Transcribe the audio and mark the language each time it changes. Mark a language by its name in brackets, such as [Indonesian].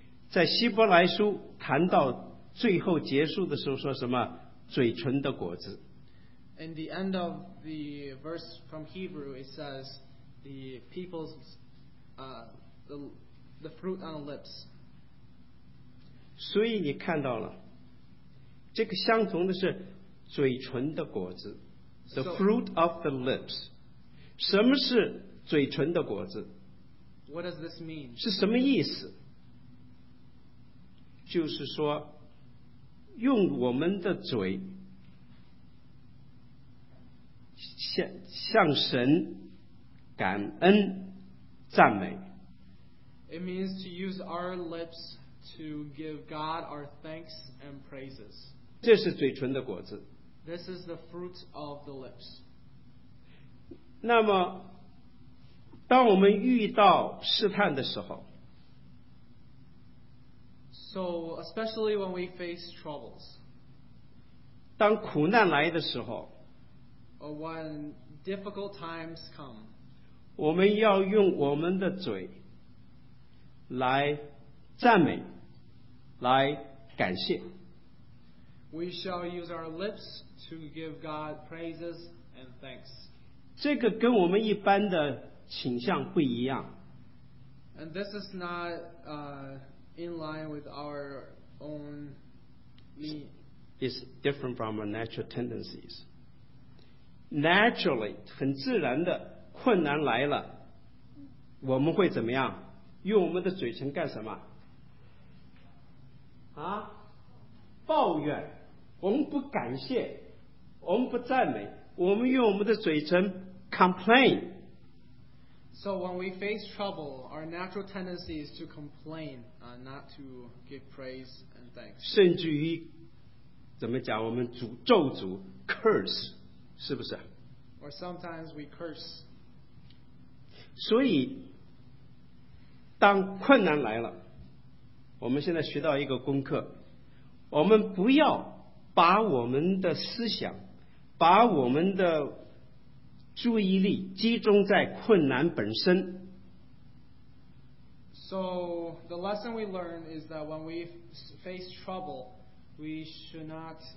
[Chinese] 在希伯来书谈到最后结束的时候说什么？嘴唇的果子。 [English] In the end of the verse from Hebrew it says the people's the fruit on the lips. [Chinese] 所以你看到了，这个相同的是嘴唇的果子， [English] the fruit of the lips. [Chinese] 什么是嘴唇的果子？ [English] What does this mean? [Chinese] 是什么意思？就是说用我们的嘴向神感恩赞美。 [English] It means to use our lips to give God our thanks and praises. [Chinese] 这是嘴唇的果子。 [English] This is the fruit of the lips. [Chinese] 那么当我们遇到试探的时候， [English] So especially when we face troubles， [Chinese] 当苦难来的时候， [English] Or when difficult times come， [Chinese] 我们要用我们的嘴来赞美，来感谢。 [English] We shall use our lips to give God praises and thanks. [Chinese] 这个跟我们一般的倾向不一样。 [English] And this is not in line with our own need. It's different from our natural tendencies. Naturally, [Chinese] 很自然的，困难来了，我们会怎么样？用我们的嘴唇干什么？啊？抱怨。我们不感谢，我们不赞美，我们用我们的嘴唇 complain. [English] So when we face trouble, our natural tendency is to complain, not to give praise and thanks. [Chinese] 甚至于怎么讲，我们诅咒主 curse， 是不是？ [English] Or sometimes we curse. [Chinese] 所以当困难来了，我们现在学到一个功课，我们不要把我们的思想，把我们的注意力集中在困难本身。 [English] So the lesson we learn is that when we face trouble, we should not